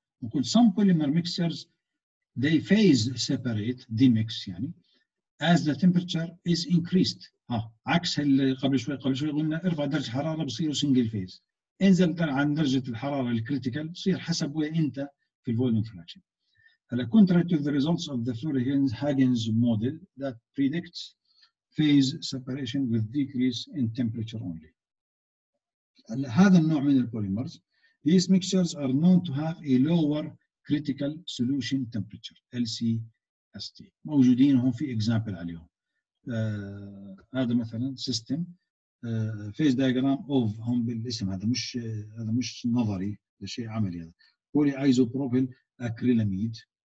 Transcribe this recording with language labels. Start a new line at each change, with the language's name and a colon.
Arabic: وكل
English: some polymer mixers they phase separate demix
Arabic: يعني
English: as the temperature is increased.
Arabic: ها عكس اللي قبل شوي قلنا ارفع درجة حرارة بصير single phase. انزل عن درجة الحرارة الكريتيكال بصير حسب وين أنت في volume fraction. هلا
English: contrary to the results of the Flurry-Huggins model that predicts phase separation with decrease in temperature only.
Arabic: هذا النوع من البوليمرز
English: these mixtures are known to have a lower critical solution temperature
Arabic: LCST موجودين هون في example عليهم هذا مثلا system phase diagram of هم بالاسم هذا مش نظري هذا شيء عملي هذا polyisopropyl acrylamide